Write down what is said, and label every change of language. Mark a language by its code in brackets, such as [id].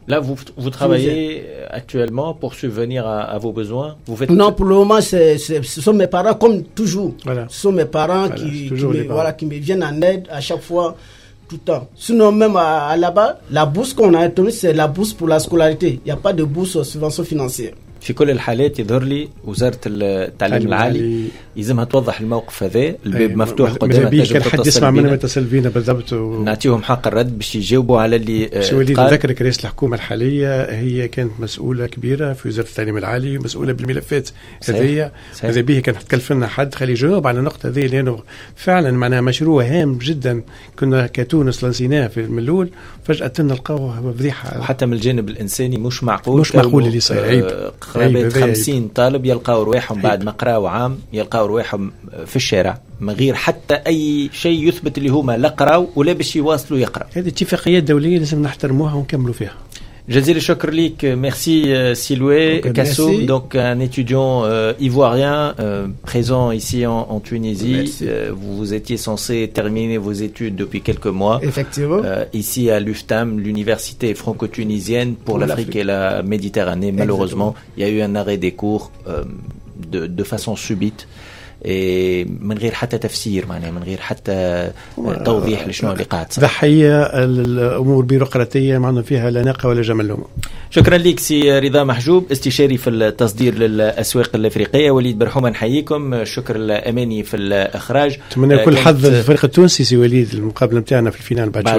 [fr] Là, vous travaillez Tunisien. Actuellement pour subvenir à vos besoins. Vous faites... Non, pour le moment, ce sont mes parents, comme toujours. Voilà. Ce sont mes parents qui me viennent en aide à chaque fois tout le temps. Sinon, même à là-bas, la bourse qu'on a obtenue, c'est la bourse pour la scolarité. Il n'y a pas de bourse aux subventions financières. [ar] في كل الحالات يظهر لي وزارة التعليم العالي يلزمها توضح الموقف هذا الباب مفتوح قدام التجربة التصلبية نعطيهم حق الرد باش يجاوبوا على اللي باش وليد نذكرك رئيس الحكومة الحالية هي كانت مسؤولة كبيرة في وزارة التعليم العالي مسؤولة بالملفات هذيا ماذا بيه كان تكلف لنا حد خلي يجاوب على النقطة هذه لأنه فعلا معناها مشروع هام جدا كنا كتونس لنسيناه في الملول فجأة نلقاوه فضيحة حتى من الجانب الإنساني مش معقول مش معقول اللي صاير عيب قرابة 50 طالب يلقاو رواحهم بعد ما قراوا عام يلقاو رواحهم في الشارع من غير حتى أي شيء يثبت اللي هما لا قراوا ولا باش يواصلوا يقرأ هذه اتفاقيات دولية لازم نحترموها ونكملوا فيها جزيل الشكر ليك [fr] ميرسي سيلوي كاسو دونك ان étudiant ivoirien présent ici en Tunisie vous étiez censé terminer vos études depuis quelques mois effectivement ici à l'UFTAM l'université franco-tunisienne pour l'Afrique et la Méditerranée malheureusement il y a eu un arrêt des cours de façon subite et [ar] من غير حتى تفسير معناها من غير حتى توضيح لشنو اللي قاعد صار ضحيه الامور البيروقراطيه معناها فيها لا ناقه ولا جمل شكرا لك سي رضا محجوب استشاري في التصدير للاسواق الافريقيه وليد برحومه نحييكم شكر الاماني في الاخراج نتمنى كل حظ للفريق التونسي سي وليد المقابله نتاعنا في الفينال بعد شويه